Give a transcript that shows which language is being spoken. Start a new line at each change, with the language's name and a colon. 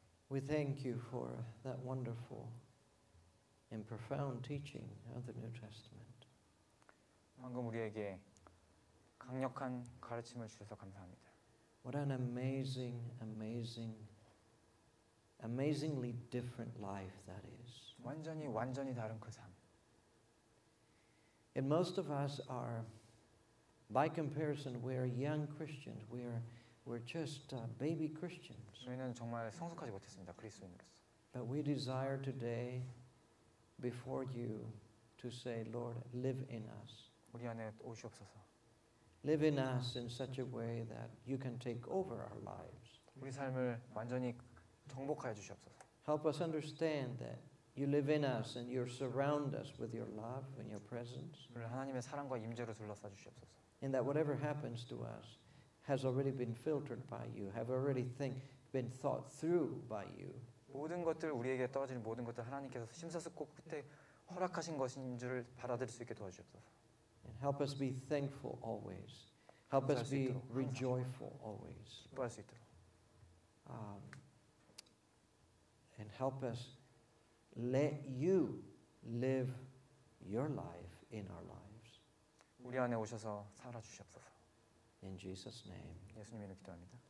English: we thank you for that wonderful and profound teaching of the New Testament.
Korean: 방금 우리에게 강력한 가르침을 주셔서 감사합니다.
English: What an amazing, amazing, amazingly different life that is.
Korean: 완전히 완전히 다른 그 삶.
English: And most of us are, by comparison, we are young Christians. We're just baby Christians.
Korean: 우리는 정말 성숙하지 못했습니다, 그리스도인으로서.
English: But we desire today, before you, to say, Lord, live in us.
Korean: 우리 안에 오시옵소서.
English: Live in us in such a way that you can take over our lives.
Korean: 우리 삶을 완전히 정복하여 주시옵소서.
English: Help us understand that you live in us and you surround us with your love and your presence.
Korean: 우리 하나님의 사랑과 임재로 둘러싸 주시옵소서.
English: And that whatever happens to us has already been filtered by you, have already been thought through by you.
Korean: 모든 것들 우리에게 떨어지는 모든 것들 하나님께서 심사숙고 끝에 허락하신 것인 줄 받아들일 수 있게 도와주옵소서.
English: And help us be thankful always. Help us be rejoiceful always.
Korean: 기뻐할 수 있도록.
English: And help us let you live your life in our lives.
Korean: 우리 안에 오셔서 살아 주시옵소서.
English: In Jesus' name.
Korean: 예수님 이름으로 기도합니다.